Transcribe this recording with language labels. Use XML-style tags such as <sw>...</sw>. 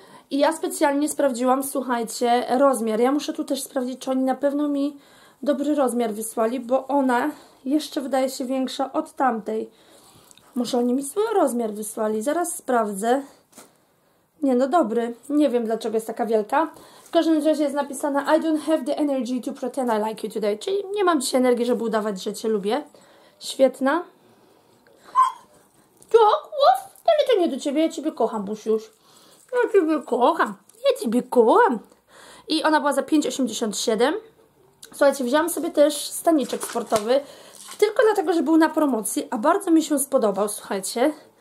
<pl>I ja specjalnie sprawdziłam, słuchajcie, rozmiar. Ja muszę tu też sprawdzić, czy oni na pewno mi dobry rozmiar wysłali, bo ona jeszcze wydaje się większa od tamtej. Może oni mi swój rozmiar wysłali, zaraz sprawdzę. Nie, no dobry. Nie wiem, dlaczego jest taka wielka. W każdym razie jest napisane</pl> <en>"I don't have the energy to pretend I like you today".</en> <pl>Czyli nie mam dzisiaj energii, żeby udawać, że Cię lubię. Świetna. Tak, łow, ale to nie do Ciebie. Ja Ciebie kocham, Busiuś. Ja Ciebie kocham. Ja Ciebie kocham. I ona była za 5,87. Słuchajcie, wzięłam sobie też staniczek sportowy. Tylko dlatego, że był na promocji, a bardzo mi się spodobał, słuchajcie.</pl>